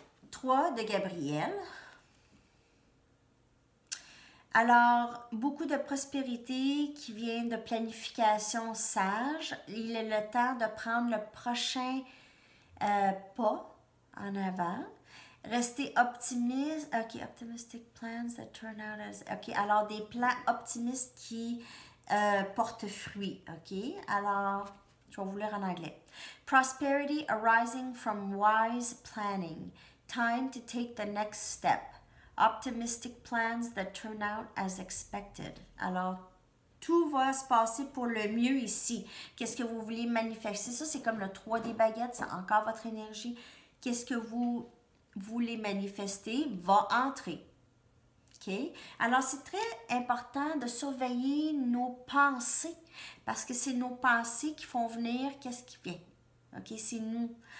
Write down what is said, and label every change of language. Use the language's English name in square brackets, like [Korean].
[French] 3 de Gabrielle. Alors, beaucoup de prospérité qui vient de planification sage. Il est le temps de prendre le prochain pas en avant. Restez optimiste. [English] OK, optimistic plans that turn out as... [French] OK, alors des plans optimistes qui portent fruit. OK, alors, je vais vous lire en anglais. [English] Prosperity arising from wise planning. Time to take the next step. Optimistic plans that turn out as expected. [French] Alors, tout va se passer pour le mieux ici. Qu'est-ce que vous voulez manifester? Ça, c'est comme le 3 des baguettes, c'est encore votre énergie. Qu'est-ce que vous voulez manifester va entrer. OK? Alors, c'est très important de surveiller nos pensées parce que c'est nos pensées qui font venir qu'est-ce qui vient. OK? C'est nous.